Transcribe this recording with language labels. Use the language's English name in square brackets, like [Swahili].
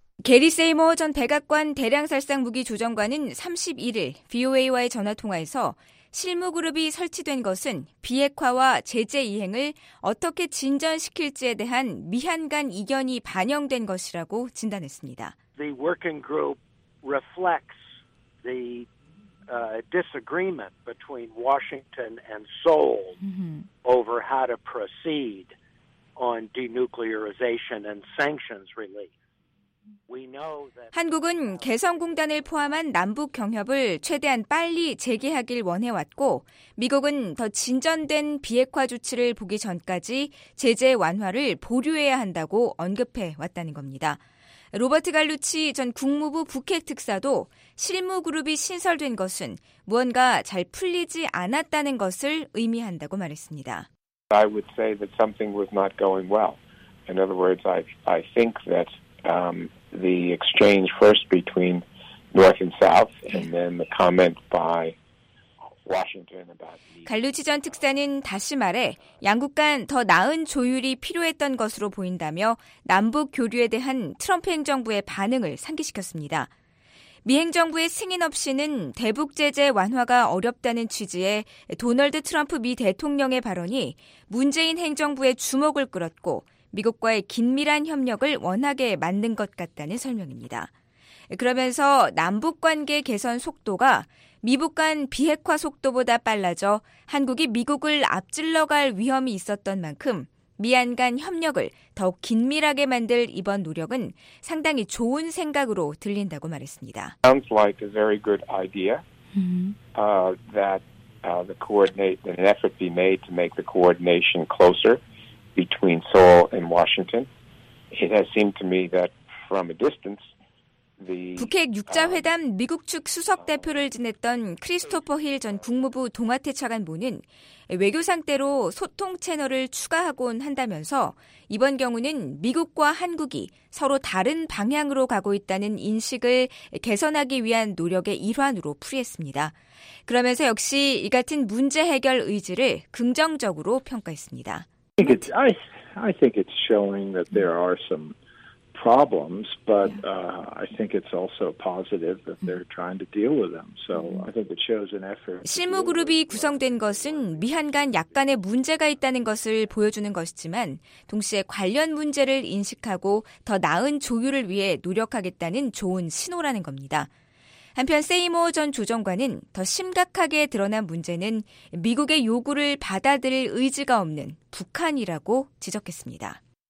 [Korean] 게리 세이머 전 백악관 대량살상무기 조정관은 31일 VOA와의 전화통화에서 실무그룹이 설치된 것은 비핵화와 제재 이행을 어떻게 진전시킬지에 대한 미한 간 이견이 반영된 것이라고 진단했습니다. [English] The working group reflects the disagreement between Washington and Seoul over how to proceed on denuclearization and sanctions relief. [Korean] 한국은 개성공단을 포함한 남북 경협을 최대한 빨리 재개하길 원해왔고 미국은 더 진전된 비핵화 조치를 보기 전까지 제재 완화를 보류해야 한다고 언급해 왔다는 겁니다. 로버트 갈루치 전 국무부 북핵 특사도 실무 그룹이 신설된 것은 무언가 잘 풀리지 않았다는 것을 의미한다고 말했습니다. [English] I would say that something was not going well. In other words, I think that the exchange first between North and South, and then the comment by Washington about. [Korean] 갈루치 전 특사는 다시 말해 양국 간 더 나은 조율이 필요했던 것으로 보인다며 남북 교류에 대한 트럼프 행정부의 반응을 상기시켰습니다. 미 행정부의 승인 없이는 대북 제재 완화가 어렵다는 취지의 도널드 트럼프 미 대통령의 발언이 문재인 행정부의 주목을 끌었고. 미국과의 긴밀한 협력을 원하게 만든 것 같다는 설명입니다. 그러면서 남북관계 개선 속도가 미북 간 비핵화 속도보다 빨라져 한국이 미국을 앞질러갈 위험이 있었던 만큼 미한 간 협력을 더욱 긴밀하게 만들 이번 노력은 상당히 좋은 생각으로 들린다고 말했습니다. [English] Sounds like a very good idea that the coordinate an effort be made to make the coordination closer. Between Seoul and Washington, it has seemed to me that from a distance, the [Korean] 북핵 6자 회담 미국 측 수석 대표를 지냈던 크리스토퍼 힐 전 국무부 동아태 차관보는 외교 상대로 소통 채널을 추가하곤 한다면서 이번 경우는 미국과 한국이 서로 다른 방향으로 가고 있다는 인식을 개선하기 위한 노력의 일환으로 풀이했습니다. 그러면서 역시 이 같은 문제 해결 의지를 긍정적으로 평가했습니다. [English] I think it's showing that there are some problems, but I think it's also positive that they're trying to deal with them. So I think it shows an effort. [Korean] 실무 그룹이 구성된 것은 미한 간 약간의 문제가 있다는 것을 보여주는 것이지만, 동시에 관련 문제를 인식하고 더 나은 조율을 위해 노력하겠다는 좋은 신호라는 겁니다. 한편 세이모 전 조정관은 더 심각하게 드러난 문제는 미국의 요구를 받아들일 의지가 없는 북한이라고 지적했습니다.